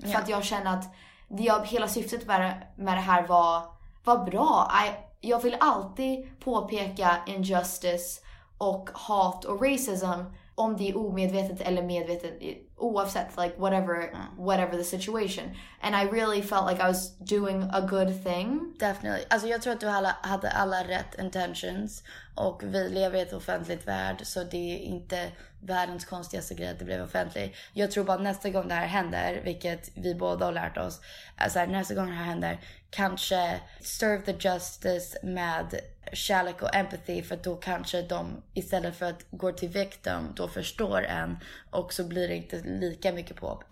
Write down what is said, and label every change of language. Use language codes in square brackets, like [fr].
[sv] För att jag känner att det, hela syftet med det här var bra. Jag vill alltid påpeka injustice och hat och racism, om det är omedvetet eller medvetet, oavsett, [en] like whatever the situation. And I really felt like I was doing a good thing. Definitely. [sv] Alltså jag tror att du hade alla rätt intentions, och vi lever i ett offentligt värld, så det är inte världens konstigaste grej att det blev offentligt. Jag tror bara att nästa gång det här händer, vilket vi båda har lärt oss, alltså nästa gång det här händer, kanske [en] serve the justice [sv] med kärlek och empathy, för då kanske de istället för att gå till victim då förstår en, och så blir det inte lika mycket pop.